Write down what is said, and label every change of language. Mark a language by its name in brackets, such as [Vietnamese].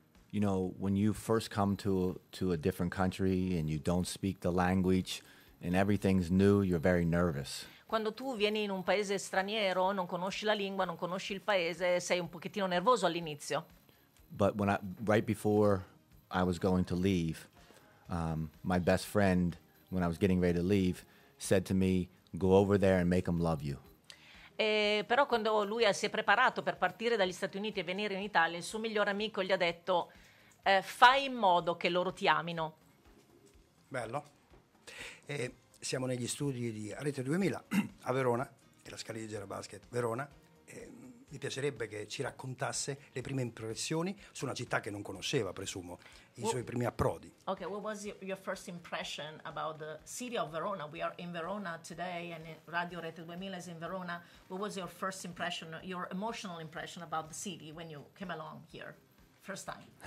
[English] You know, when you first come to a different country and you don't speak the language and everything's new, you're very nervous. [Italian] Quando tu vieni in un paese straniero, non conosci la lingua, non conosci il paese, sei un pochettino nervoso all'inizio. [English] But when I, right before I was going to leave, my best friend, when I was getting ready to leave, said to me, go over there and make them love you. [Italian] E però quando lui si è preparato per partire dagli Stati Uniti e venire in Italia, il suo migliore amico gli ha detto, fai in modo che loro ti amino. Bello. E siamo negli studi di Rete 2000 a Verona, e la Scaligera Basket Verona. E mi piacerebbe che ci raccontasse le prime impressioni su una città che non conosceva, presumo, suoi primi approdi. [English] Ok, what was your first impression about the city of Verona? We are in Verona today and Radio Rete 2000 is in Verona. What was your first impression, your emotional impression about the city when you came along here, first time?